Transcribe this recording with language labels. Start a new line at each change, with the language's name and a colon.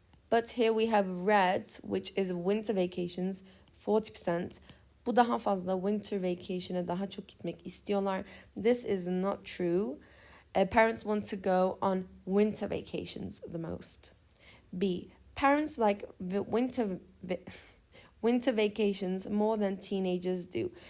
English: But here we have red, which is winter vacations, 40%.
Turkish: Bu daha fazla, winter vacation'a daha çok gitmek istiyorlar.
English: This is not true. Parents want to go on winter vacations the most. B. Parents like winter vacations more than teenagers do.